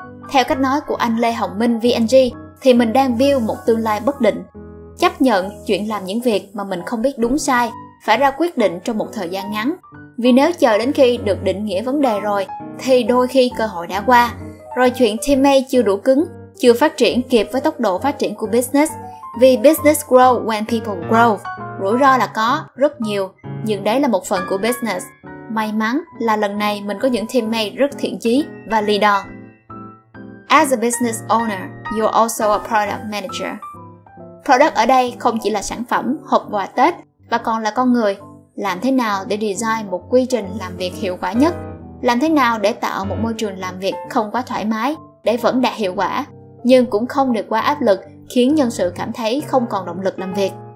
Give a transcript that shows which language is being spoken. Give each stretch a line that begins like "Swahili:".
Vietnamese: Theo cách nói của anh Lê Hồng Minh VNG thì mình đang build một tương lai bất định. Chấp nhận chuyện làm những việc mà mình không biết đúng sai, phải ra quyết định trong một thời gian ngắn. Vì nếu chờ đến khi được định nghĩa vấn đề rồi thì đôi khi cơ hội đã qua. Rồi chuyện teammate chưa đủ cứng, chưa phát triển kịp với tốc độ phát triển của business. Vì
English: business grow when people grow.
Vietnamese: Rủi ro là có, rất nhiều, nhưng đấy là một phần của business. May mắn là lần này mình có những teammate rất thiện chí và leader.
English: As a business owner, you're also a product manager.
Vietnamese: Product ở đây không chỉ là sản phẩm, hộp quà Tết, mà còn là con người. Làm thế nào để design một quy trình làm việc hiệu quả nhất? Làm thế nào để tạo một môi trường làm việc không quá thoải mái, để vẫn đạt hiệu quả, nhưng cũng không được quá áp lực, khiến nhân sự cảm thấy không còn động lực làm việc.